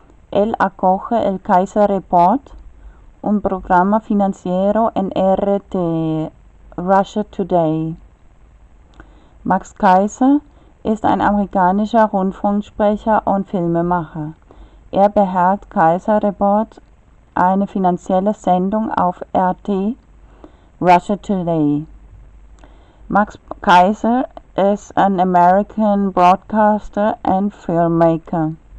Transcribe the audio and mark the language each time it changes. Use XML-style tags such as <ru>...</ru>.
<es>Él acoge el Kaiser Report, un programa financiero en RT, Russia Today.</es> <de>Max Kaiser ist ein amerikanischer Rundfunksprecher und Filmemacher. Er beherrscht Kaiser Report, eine finanzielle Sendung auf RT, Russia Today.</de> <en>Max Kaiser is an American broadcaster and filmmaker.</en>